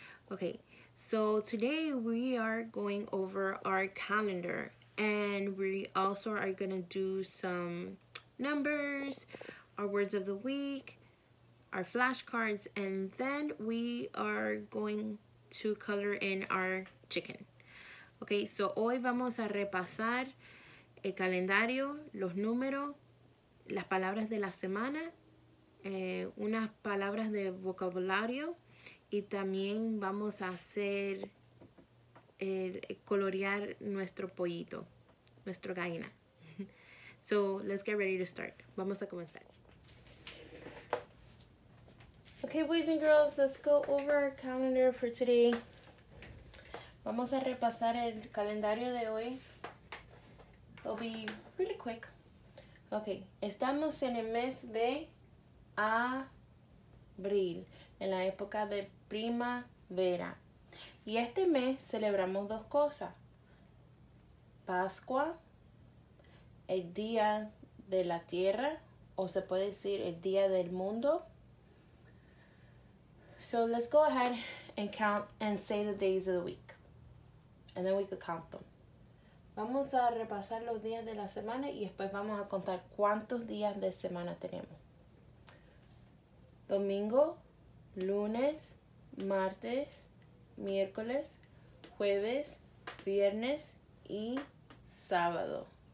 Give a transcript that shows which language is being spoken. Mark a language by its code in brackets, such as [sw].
[en] Okay, so today we are going over our calendar. And we also are going to do some numbers, our words of the week, our flashcards. And then we are going to color in our chicken. [es] Okay, so hoy vamos a repasar el calendario, los números, las palabras de la semana, unas palabras de vocabulario, y también vamos a hacer colorear nuestro pollito, nuestro gallina. [en] So, let's get ready to start. [es] Vamos a comenzar. [en] Okay, boys and girls, let's go over our calendar for today. [es] Vamos a repasar el calendario de hoy. [en] It'll be really quick. [es] Okay, estamos en el mes de abril, en la época de primavera. Y este mes celebramos dos cosas. Pascua, el día de la tierra, o se puede decir el día del mundo. [en] So let's go ahead and count and say the days of the week. And then we could count them. [es] Vamos a repasar los días de la semana y después vamos a contar cuántos días de semana tenemos. Domingo, lunes, martes, miércoles, jueves, viernes y sábado.